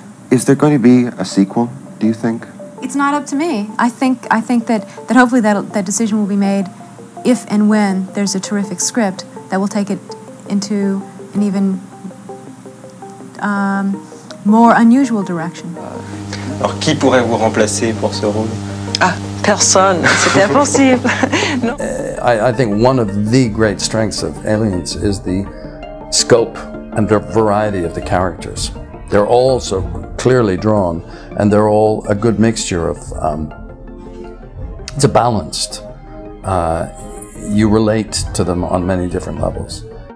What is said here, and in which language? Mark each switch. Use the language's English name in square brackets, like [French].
[English] Is there going to be a sequel, do you think? It's not up to me. I think that hopefully that decision will be made if and when there's a terrific script that will take it into an even more unusual direction. [French] Alors, qui pourrait vous remplacer pour ce rôle? Ah, personne. C'est impossible. [English] No. I think one of the great strengths of Aliens is the scope and the variety of the characters. They're all so clearly drawn, and they're all a good mixture of, it's a balanced, you relate to them on many different levels.